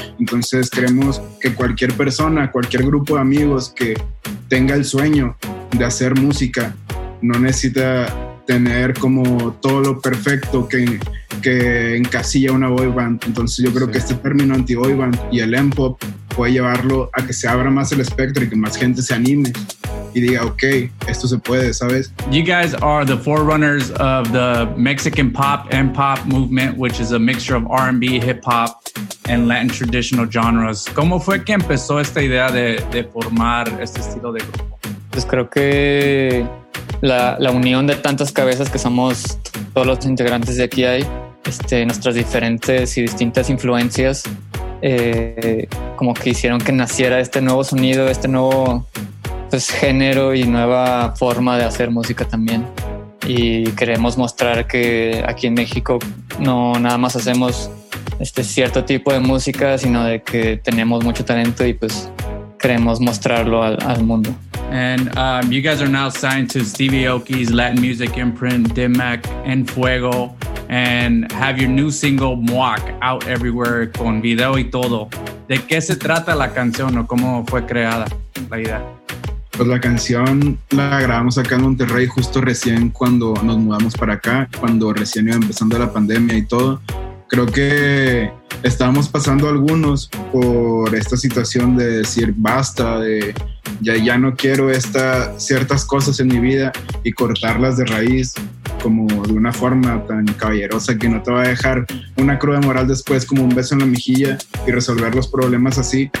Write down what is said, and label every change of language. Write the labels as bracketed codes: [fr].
[es] Entonces queremos que cualquier persona, cualquier grupo de amigos que tenga el sueño de hacer música no necesita tener como todo lo perfecto que encasilla una boy band. Entonces yo creo que este término anti-boy band y el M-pop puede llevarlo a que se abra más el espectro y que más gente se anime y diga, okay, esto se puede, ¿sabes? [en] You guys are the forerunners of the Mexican pop and pop movement, which is a mixture of R&B, hip-hop, and Latin traditional genres. [es] ¿Cómo fue que empezó esta idea de formar este estilo de grupo? Pues creo que la unión de tantas cabezas que somos todos los integrantes de aquí hay, nuestras diferentes y distintas influencias, como que hicieron que naciera este nuevo sonido, este nuevo pues género y nueva forma de hacer música también. Y queremos mostrar que aquí en México no nada más hacemos cierto tipo de música, sino de que tenemos mucho talento y pues queremos mostrarlo al mundo. [en] And you guys are now signed to Stevie Aoki's Latin music imprint, Dimmac, En Fuego, and have your new single, Muak, out everywhere, [es] con video y todo. ¿De qué se trata la canción o cómo fue creada la idea? Pues la canción la grabamos acá en Monterrey justo recién cuando nos mudamos para acá, cuando recién iba empezando la pandemia y todo. Creo que estábamos pasando algunos por esta situación de decir basta, de ya no quiero ciertas cosas en mi vida y cortarlas de raíz como de una forma tan caballerosa que no te va a dejar una cruda moral después como un beso en la mejilla y resolver los problemas así.